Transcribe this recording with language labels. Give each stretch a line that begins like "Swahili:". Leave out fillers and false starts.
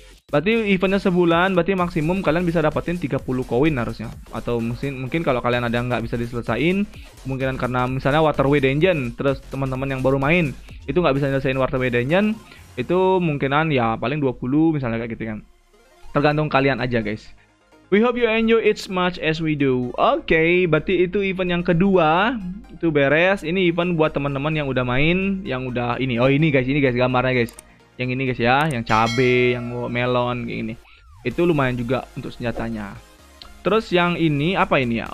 Indonesian: Berarti eventnya sebulan, berarti maksimum kalian bisa dapetin 30 koin harusnya. Atau mungkin kalau kalian ada yang nggak bisa diselesaiin, kemungkinan karena misalnya Waterway Dungeon, terus teman-teman yang baru main itu nggak bisa nyelesain Waterway Dungeon, itu kemungkinan ya paling 20 misalnya kayak gitu kan. Tergantung kalian aja, guys.
English: We hope you enjoy it as much as we do.
Indonesian: Okay, berarti itu event yang kedua. Itu beres. Ini event buat teman-teman yang udah main, yang udah ini. Oh, ini guys gambarnya, guys. Yang ini guys ya, yang cabe, yang melon kayak gini. Itu lumayan juga untuk senjatanya. Terus yang ini apa ini ya?